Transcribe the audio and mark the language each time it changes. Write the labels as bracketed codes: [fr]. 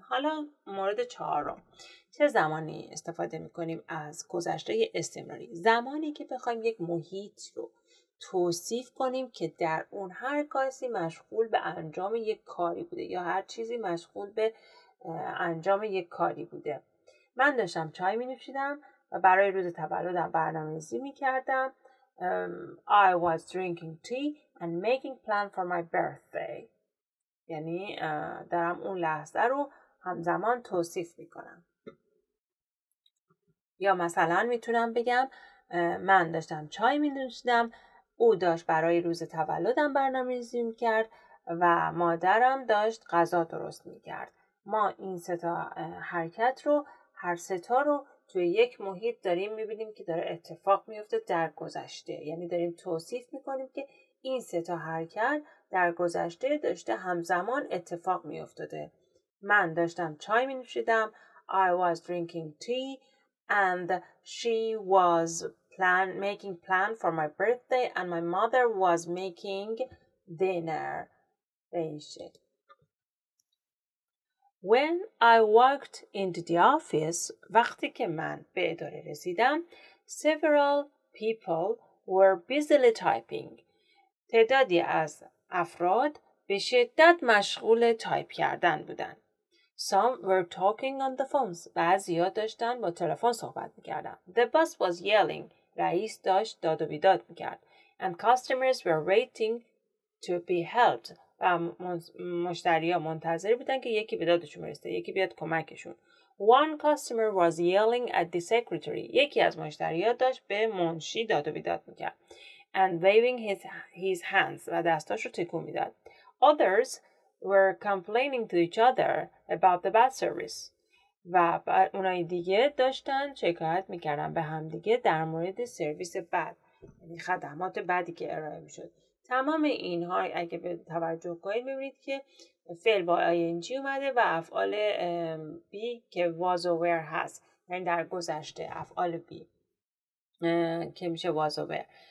[fa] حالا مورد چهارم، چه زمانی استفاده میکنیم از گذشته استمراری؟ زمانی که بخوایم یک محیط رو توصیف کنیم که در اون هر کسی مشغول به انجام یک کاری بوده یا هر چیزی مشغول به انجام یک کاری بوده. من داشتم چای مینوشیدم و برای روز تولدم برنامه‌ریزی میکردم. [en] I was drinking tea and making plan for my birthday. [fa] یعنی دارم اون لحظه رو همزمان توصیف میکنم. یا مثلا میتونم بگم من داشتم چای می‌نوشیدم، او داشت برای روز تولدم برنامه‌ریزی می‌کرد و مادرم داشت غذا درست می‌کرد. ما این سه تا حرکت رو، هر سه تا رو توی یک محیط داریم می‌بینیم که داره اتفاق می‌افته در گذشته. یعنی داریم توصیف می‌کنیم که این سه تا حرکت در گذشته داشته همزمان اتفاق می‌افتاده. من داشتم چای می‌نوشیدم. [en] I was drinking tea and she was making plan for my birthday and my mother was making dinner. When I walked into the office, [fa] وقتی که من به اداره رسیدم, [en] several people were busily typing. [fa] تعدادی از افراد به شدت مشغول تایپ کردن بودند. [en] Some were talking on the phones. [fa] بعضی ها داشتن با تلفن صحبت میکردن. [en] The boss was yelling. [fa] رئیس داشت داد و بیداد میکرد. [en] And customers were waiting to be helped. [fa] و مشتری ها منتظر بودن که یکی به دادشون برسته. یکی بیاد کمکشون. [en] One customer was yelling at the secretary. [fa] یکی از مشتری ها داشت به منشی داد و بیداد میکرد. [en] And waving his hands. [fa] و دستاش رو تکون میداد. [en] Others were complaining to each other about the bad service. [fa] و اونای دیگه داشتن شکایت میکردن به هم دیگه در مورد سرویس بد، یعنی خدمات بدی که ارائه میشد. تمام اینها اگه به توجه کنید ببینید که فعل با ing اومده و افعال بی که was و were هست، یعنی در گذشته افعال بی که میشه was و were.